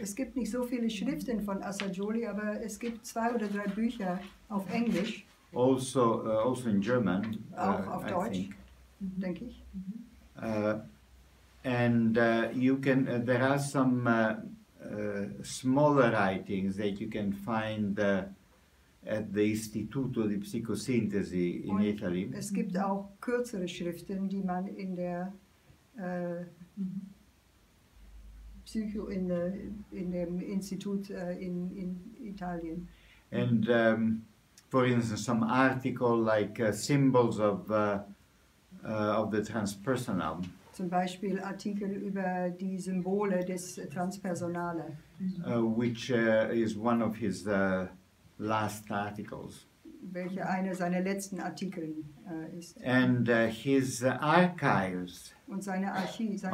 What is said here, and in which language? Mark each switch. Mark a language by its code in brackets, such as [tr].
[de] Es gibt nicht so viele Schriften von Assagioli, aber es gibt zwei oder drei Bücher auf Englisch. [en] Also in German. [de] Auch auf Deutsch, denke ich. [en] There are some smaller writings that you can find at the Institut of the Psychosynthese in [de] und [en] Italy. [de] Es gibt auch kürzere Schriften, die man in der Psycho in dem Institut in Italien. [en] And for instance, some article like symbols of the transpersonal. [de] Zum Beispiel Artikel über die Symbole des Transpersonale. [en] Which is one of his last articles. [de] Welche einer seiner letzten Artikel ist. [en] And his archives. [de] Und seine seine